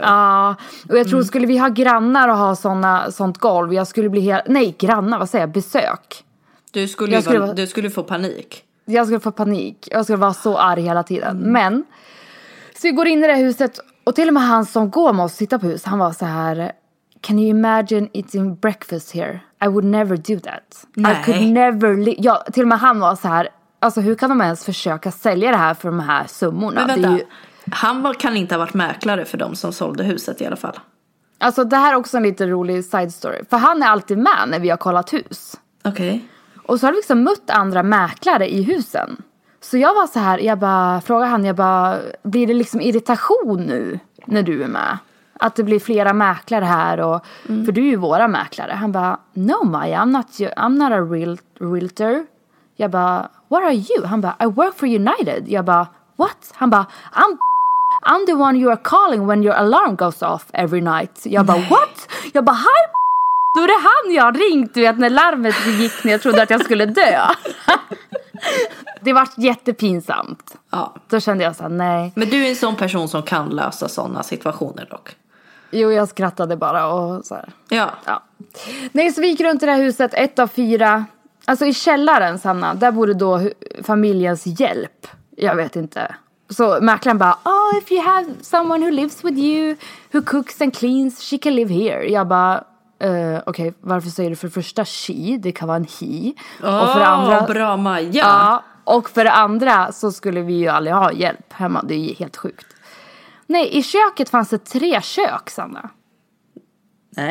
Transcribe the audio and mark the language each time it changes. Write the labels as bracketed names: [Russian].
[Swedish] Ja, och jag tror skulle vi ha grannar och ha såna, sånt golv, jag skulle bli helt... Nej, grannar, vad säger jag? Besök. Du skulle, jag skulle, du skulle få panik. Jag skulle få panik. Jag skulle vara så arg hela tiden. Mm. Men, så vi går in i det huset, och till och med han som går med oss och sitter på hus, han var så här... [English] Can you imagine eating breakfast here? I would never do that. [Swedish] Nej. [English] I could never... [Swedish] Ja, till och med han var så här... Alltså, hur kan de ens försöka sälja det här för de här summorna? Men vänta. Det är ju... Han var, kan inte ha varit mäklare för dem som sålde huset i alla fall. Alltså, det här är också en lite rolig side story. För han är alltid med när vi har kollat hus. Okej. Okay. Och så har vi liksom mött andra mäklare i husen. Så jag var så här, jag bara frågade han, jag bara, blir det liksom irritation nu när du är med? Att det blir flera mäklare här och, för du är ju våra mäklare. Han bara, [English] no Maya, I'm not a realtor. [Swedish] Jag bara, [English] what are you? [Swedish] Han bara, [English] I work for United. [Swedish] Jag bara, [English] what? [Swedish] Han bara, [English] I'm the one you are calling when your alarm goes off every night. [Swedish] Jag bara, [English] what? [Swedish] Jag bara, [English] hi. [Swedish] Då är det han jag ringt, du vet, när larmet gick när jag trodde att jag skulle dö. Det var jättepinsamt. Ja. Då kände jag så här, nej. Men du är en sån person som kan lösa sådana situationer dock. Jo, jag skrattade bara och så här. Ja. Ja. Nej, så vi gick runt i det här huset, ett av fyra. Alltså i källaren, Sanna, där bodde då familjens hjälp. Jag vet inte. Så mäklaren bara, [English] oh, if you have someone who lives with you, who cooks and cleans, she can live here. [Swedish] Jag bara, okej, okay, varför säger du för första she? Det kan vara en he. Oh, och för andra, bra Maja. Ja, och för det andra så skulle vi ju aldrig ha hjälp hemma. Det är ju helt sjukt. Nej, i köket fanns det tre kök, Sanna. Nej.